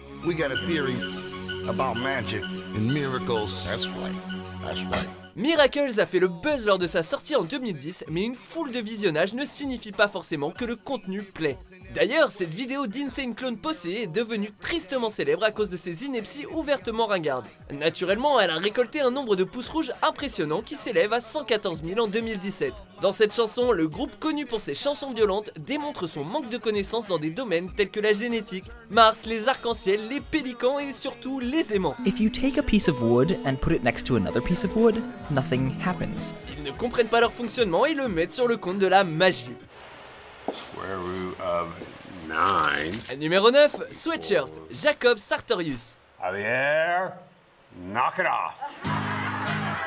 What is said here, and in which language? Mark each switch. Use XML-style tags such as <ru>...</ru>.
<en>We got a theory about magic and miracles. That's right. That's right.</en> <fr>Miracles a fait le buzz lors de sa sortie en 2010, mais une foule de visionnages ne signifie pas forcément que le contenu plaît. D'ailleurs, cette vidéo d'Insane Clown Posse est devenue tristement célèbre à cause de ses inepties ouvertement ringardes. Naturellement, elle a récolté un nombre de pouces rouges impressionnant qui s'élève à 114 000 en 2017. Dans cette chanson, le groupe connu pour ses chansons violentes démontre son manque de connaissances dans des domaines tels que la génétique, Mars, les arcs-en-ciel, les pélicans et surtout les aimants.</fr> <en>If you take a piece of wood and put it next to another piece of wood, nothing happens.</en> <fr>Ils ne comprennent pas leur fonctionnement et le mettent sur le compte de la magie.</fr> <en>Square root of 9. Numéro 9, Sweatshirt, Jacob Sartorius. Javier, knock it off.</en>